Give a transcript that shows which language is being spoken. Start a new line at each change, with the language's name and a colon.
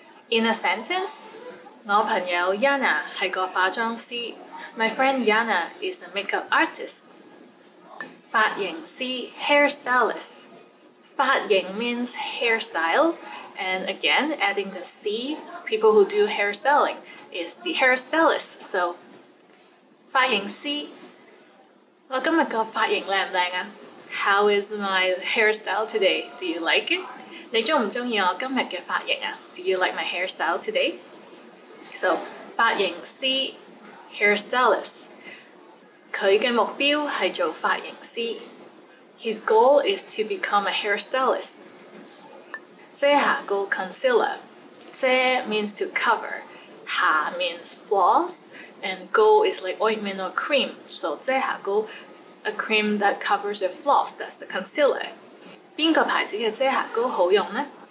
English: In a sentence,
Chinese: 我朋友 Yana 是个化妆師.
English: My friend Yana is a makeup artist. 发型师, hairstylist. 发型 means hairstyle. And again, adding the C, people who do hairstyling, is the hairstylist.
Chinese: So, 发型师, 我今天的发型靓不靓啊?
English: How is my hairstyle today? Do you like it?
Chinese: 你喜不喜欢我今天的发型啊?
English: Do you like my hairstyle today? So, 发型师, hairstylist.
Chinese: 他的目標是做髮型師。
English: His goal is to become a hairstylist. 遮瑕膏 concealer. 遮 means to cover. 瑕 means floss. And 膏 is like ointment or cream. So 遮瑕膏, a cream that covers your floss, that's the concealer.
Chinese: 哪个牌子的遮瑕膏好用呢?